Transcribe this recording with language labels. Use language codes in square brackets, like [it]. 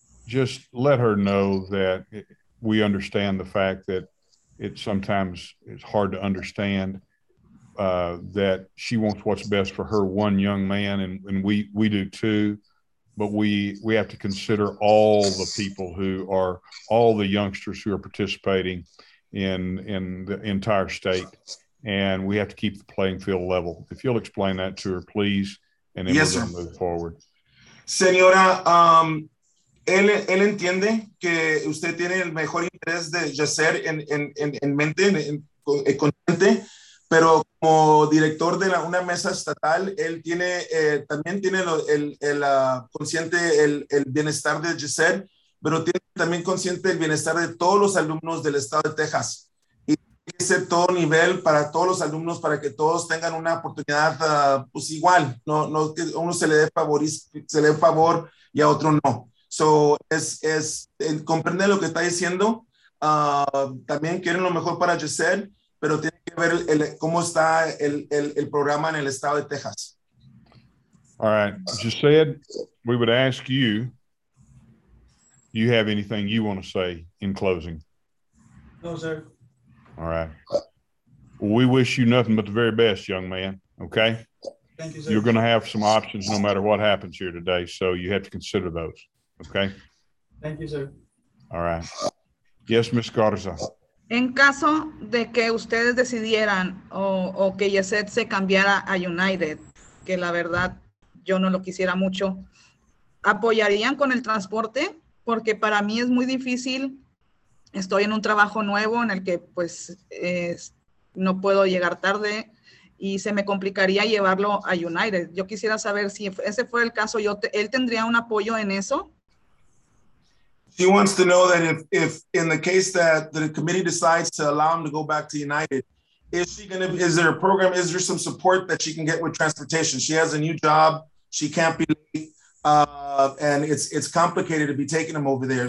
[en] Just let her know that we understand the fact that it sometimes is hard to understand that she wants what's best for her one young man, and we do too. But we have to consider all the people who are all the youngsters who are participating in the entire state, and we have to keep the playing field level. If you'll explain that to her, please, and then we're going to move forward. [es] Señora, él entiende que usted tiene el mejor interés de Yacer en mente, en consciente, pero como director de una mesa estatal, él tiene también tiene el consciente el bienestar de Yacer, pero tiene también consciente el bienestar de todos los alumnos del estado de Texas. Y ese todo nivel para todos los alumnos, para que todos tengan una oportunidad pues igual, no que uno se le dé favor y a otro no. So, es comprende lo que está diciendo. También quieren lo mejor para Yacer, pero tiene que ver cómo está el programa en el estado de Texas. [en] All right. Yacer, we would ask you, do you have anything you want to say in closing? No, sir. All right. Well, we wish you nothing but the very best, young man. Okay? Thank you, sir. You're going to have some options no matter what happens here today, so you have to consider those. Okay. Thank you, sir. All right. Yes, Ms. Garza. [es] En caso de que ustedes decidieran o que Yacer se cambiara a United, que la verdad yo no lo quisiera mucho, ¿apoyarían con el transporte? Porque para mí es muy difícil. Estoy en un trabajo nuevo en el que pues no puedo llegar tarde y se me complicaría llevarlo a United. Yo quisiera saber si ese fue el caso, él tendría un apoyo en eso. [en] She wants to know that if in the case that the committee decides to allow him to go back to United, is there a program, is there some support that she can get with transportation? She has a new job, she can't be late, and it's complicated to be taking him over there.